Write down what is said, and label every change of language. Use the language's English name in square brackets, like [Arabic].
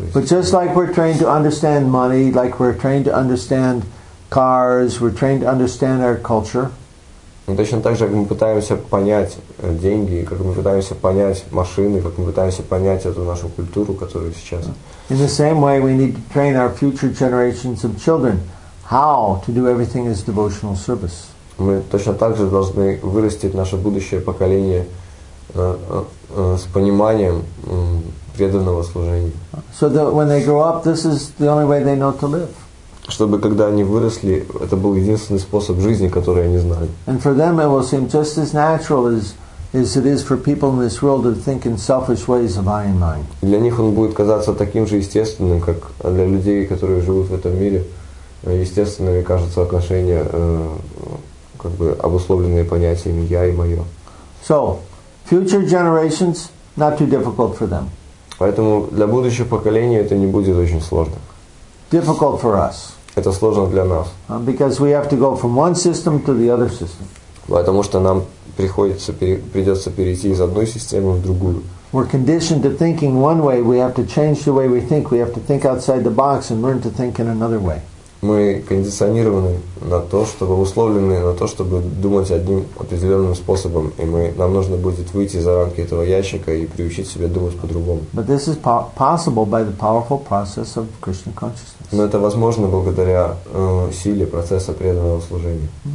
[English] But just like we're trained to understand money, like we're trained to understand cars, we're trained to understand our culture. [Russian] Но точно так же, как мы пытаемся понять деньги, как мы пытаемся понять машины, как мы пытаемся понять эту нашу культуру, которая сейчас. [English] In the same way, we need to train our future generations of children how to do everything as devotional service. [Russian] Мы точно так же должны вырастить наше будущее поколение с пониманием преданного служения. [English] So that when they grow up, this is the only way they know to live. [Russian] Чтобы когда они выросли, это был единственный способ жизни, который они знали. [English] And for them it will seem just as natural as it is for people in this world to think in selfish ways of I and mine. [Russian] Для них он будет казаться таким же естественным, как для людей, которые живут в этом мире, естественными кажутся отношения, как бы обусловленные понятиями я и мое. [English] So, future generations, not too difficult for them. [Russian] Поэтому для будущих поколений это не будет очень сложно. [English] Difficult for us. [Russian] Это сложно для нас. [English] Because we have to go from one system to the other system. [Russian] Потому что нам придется перейти из одной системы в другую. [English] We're conditioned to thinking one way. We have to change the way we think. We have to think outside the box and learn to think in another way. [Russian] Мы кондиционированы на то, чтобы условлены на то, чтобы думать одним определенным способом, и нам нужно будет выйти за рамки этого ящика и приучить себя думать по-другому. [English] But this is possible by the powerful process of Krishna consciousness. [Russian] Но это возможно благодаря силе процесса преданного служения.